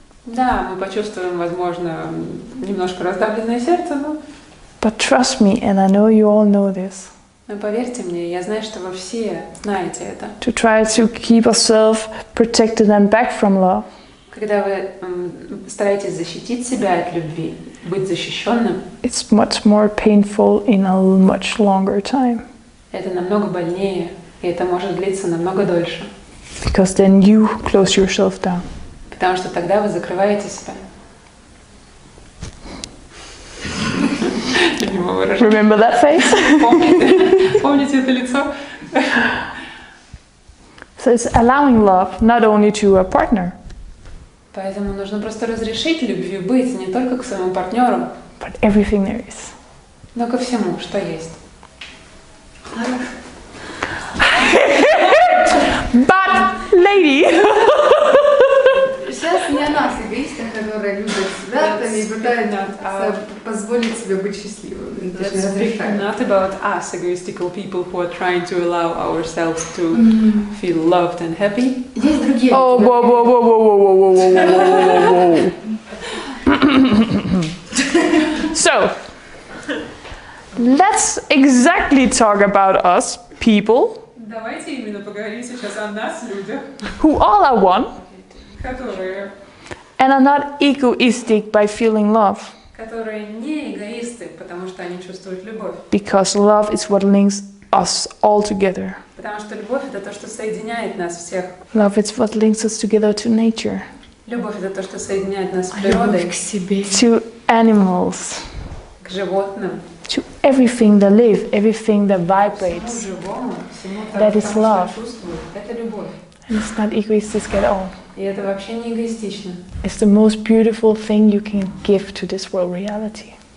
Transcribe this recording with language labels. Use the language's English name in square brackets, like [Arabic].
[Russian] Да, мы почувствуем, возможно, немножко раздавленное сердце, но. [English] But trust me, and I know you all know this. [Russian] Но поверьте мне, я знаю, что вы все знаете это. [English] To try to keep ourselves protected and back from love. [Russian] Когда вы стараетесь защитить себя от любви, быть защищенным. [English] It's much more painful in a much longer time. [Russian] Это намного больнее, и это может длиться намного дольше. [English] Because then you close yourself down. [Russian] Потому что тогда вы закрываете себя. [English] Remember that face? [Russian] Помните это лицо? [English] So it's allowing love not only to a partner. [Russian] Поэтому нужно просто разрешить любви быть не только к своему партнеру. [English] But everything there is. [Russian] Но ко всему, что есть. [English] But, lady. [Russian] Сейчас не она эгоистка, которая любит себя, то не пытается позволить себе быть счастливой. [English] Not about us, egoistical people who are trying to allow ourselves to feel loved and happy. [Russian] Есть другие. Oh, whoa. [English] So. Let's exactly talk about us, people. [Russian] Давайте именно поговорим сейчас о нас, людях. [English] Who all are one. [Russian] Которые. [English] And are not egoistic by feeling love. [Russian] Которые не эгоисты, потому что они чувствуют любовь. [English] Because love is what links us all together. [Russian] Потому что любовь это то, что соединяет нас всех. [English] Love is what links us together to nature. [Russian] Любовь это то, что соединяет нас с природой. Любовь к себе. [English] To animals. [Russian] К животным. [English] To everything that lives, everything that vibrates, that is love. And it's not egoistic at all. It's the most beautiful thing you can give to this world reality.